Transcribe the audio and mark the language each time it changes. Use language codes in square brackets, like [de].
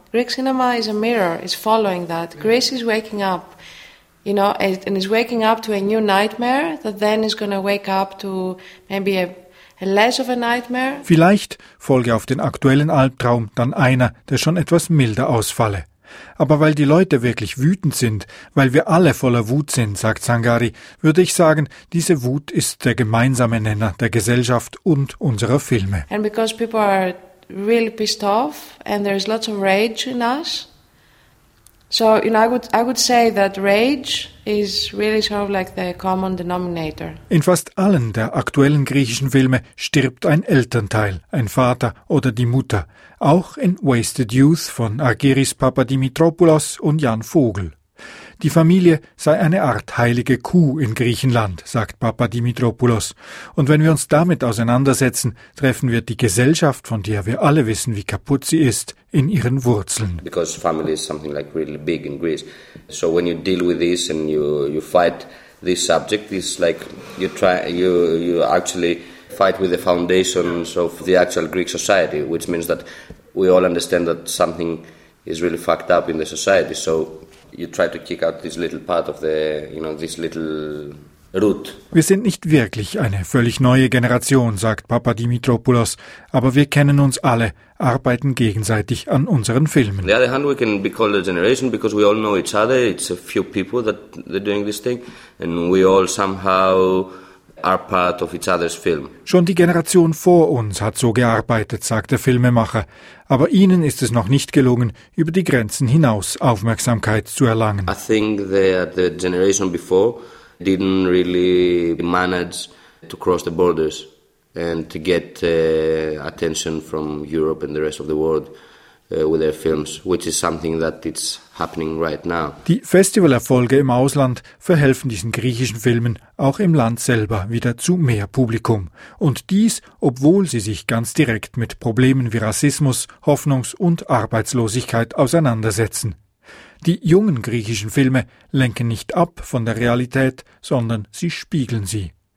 [en] Greek cinema is a mirror, is following that. Greece is waking up. You know, and is waking up to a new nightmare that then is going to wake up to maybe a less of a nightmare. [de] Vielleicht folge auf den aktuellen Albtraum dann einer, der schon etwas milder ausfalle. Aber weil die Leute wirklich wütend sind, weil wir alle voller Wut sind, sagt Zangari, würde ich sagen, diese Wut ist der gemeinsame Nenner der Gesellschaft und unserer Filme. [en] And because people are really pissed off and there is lots of rage in us. So, you know, I would say that rage is really sort of like the common denominator. [de] In fast allen der aktuellen griechischen Filme stirbt ein Elternteil, ein Vater oder die Mutter. Auch in Wasted Youth von Argyris Papadimitropoulos und Jan Vogel. Die Familie sei eine Art heilige Kuh in Griechenland, sagt Papadimitropoulos. Und wenn wir uns damit auseinandersetzen, treffen wir die Gesellschaft, von der wir alle wissen, wie kaputt sie ist, in ihren Wurzeln. [en] Because family is something like really big in Greece. So when you deal with this and you fight this subject, it's like you actually fight with the foundations of the actual Greek society, which means that we all understand that something is really fucked up in the society. So you try to kick out this little part of the, you know, this little root. [de] Wir sind nicht wirklich eine völlig neue Generation, sagt Papadimitropoulos, aber wir kennen uns alle, arbeiten gegenseitig an unseren Filmen. [en] On the other hand, we can be called a generation because we all know each other. It's a few people that they're doing this thing, and we all somehow are part of each other's film. [de] Schon die Generation vor uns hat so gearbeitet, sagt der Filmemacher. Aber ihnen ist es noch nicht gelungen, über die Grenzen hinaus Aufmerksamkeit zu erlangen. [en] I think the generation before didn't really manage to cross the borders and to get attention from Europe and the rest of the world with their films, which is something that it's happening right now. [de] Die Festivalerfolge im Ausland verhelfen diesen griechischen Filmen auch im Land selber wieder zu mehr Publikum. Und dies, obwohl sie sich ganz direkt mit Problemen wie Rassismus, Hoffnungs- und Arbeitslosigkeit auseinandersetzen. Die jungen griechischen Filme lenken nicht ab von der Realität, sondern sie spiegeln sie.